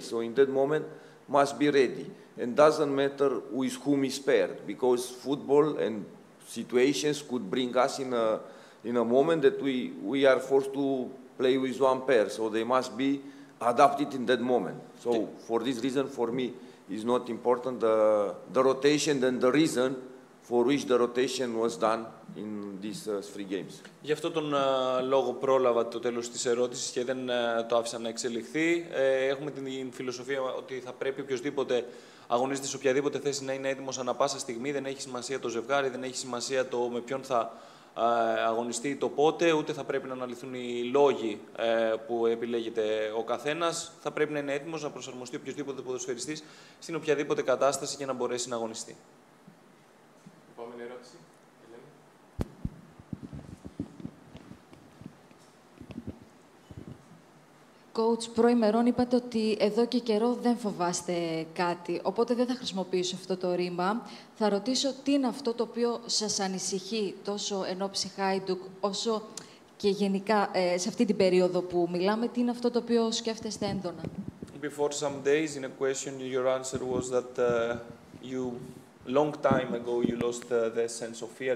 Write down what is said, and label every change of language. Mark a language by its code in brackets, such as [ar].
[en] So in that moment, must be ready. And doesn't matter with whom is paired, because football and situations could bring us in a moment that we are forced to play with one pair. So they must be adapted in that moment. So for this reason, for me, is not important the rotation than the reason for which the rotation was done in these three games. [el] Γι' αυτό τον λόγο πρόλαβα το τέλος της ερώτησης και δεν το άφησα να εξελιχθεί. Έχουμε την φιλοσοφία ότι θα πρέπει οποιοδήποτε αγωνίζεται σε οποιαδήποτε θέση να είναι έτοιμος ανά πάσα στιγμή. Δεν έχει σημασία το ζευγάρι, δεν έχει σημασία το με ποιον θα αγωνιστεί το πότε, ούτε θα πρέπει να αναλυθούν οι λόγοι που επιλέγεται ο καθένας. Θα πρέπει να είναι έτοιμος να προσαρμοστεί οποιοδήποτε ποδοσφαιριστής στην οποιαδήποτε κατάσταση για να μπορέσει να αγωνιστεί. Επόμενη ερώτηση. Coach, προημερών είπατε ότι εδώ και καιρό δεν φοβάστε κάτι, οπότε δεν θα χρησιμοποιήσω αυτό το ρήμα. Θα ρωτήσω τι είναι αυτό το οποίο σας ανησυχεί τόσο εν ώψη Χάιντουκ, όσο και γενικά σε αυτή την περίοδο που μιλάμε, τι είναι αυτό το οποίο σκέφτεστε έντονα. [en] Before some days, in a question, your answer was that you long time ago you lost the sense of fear.